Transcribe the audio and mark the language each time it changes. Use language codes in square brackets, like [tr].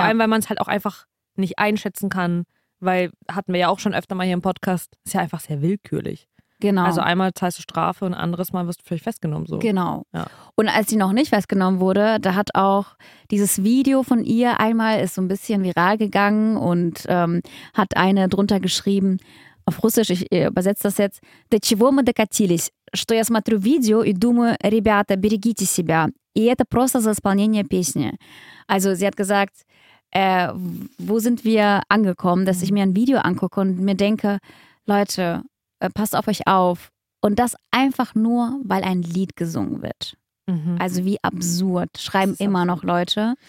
[de] Vor allem, weil man es halt auch einfach nicht einschätzen kann, weil hatten wir ja auch schon öfter mal hier im Podcast, ist ja einfach sehr willkürlich. Genau. Also einmal zahlst du Strafe und anderes Mal wirst du vielleicht festgenommen. So. Genau. Ja. Und als sie noch nicht festgenommen wurde, da hat auch dieses Video von ihr einmal ist so ein bisschen viral gegangen und hat eine drunter geschrieben. Auf Russisch, ich übersetze das jetzt. [ru] До чего мы докатились, что я смотрю видео и думаю, ребята, берегите себя. И это просто за исполнение песни. [de] Also sie hat gesagt, wo sind wir angekommen, dass ich mir ein Video angucke und mir denke, Leute, passt auf euch auf. Und das einfach nur, weil ein Lied gesungen wird. Mhm. Also wie absurd, schreiben immer noch Leute.